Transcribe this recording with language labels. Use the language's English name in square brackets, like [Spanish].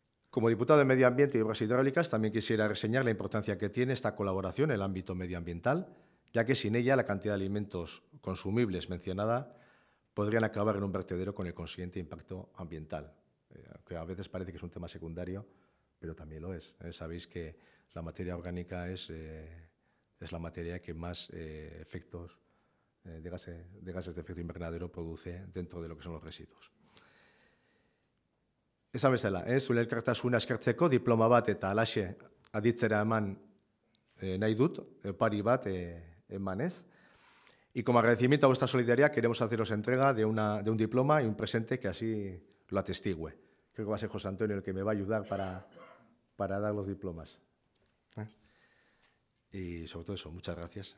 [Spanish] Como diputado de Medio Ambiente y Obras Hidráulicas, también quisiera reseñar la importancia que tiene esta colaboración en el ámbito medioambiental, ya que sin ella la cantidad de alimentos consumibles mencionada podrían acabar en un vertedero con el consiguiente impacto ambiental, que a veces parece que es un tema secundario, pero también lo es. Sabéis que la materia orgánica es la materia que más efectos de gases de efecto invernadero produce dentro de lo que son los residuos. [Basque] Esan bezala, zuen elkartasuna eskertzeko diploma bat eta alaxe aditzera eman nahi dut, pari bat emanez. [Spanish] Y como agradecimiento a vuestra solidaridad, queremos haceros entrega de un diploma y un presente que así lo atestigue. Creo que va a ser José Antonio el que me va a ayudar para dar los diplomas. Y sobre todo eso, muchas gracias.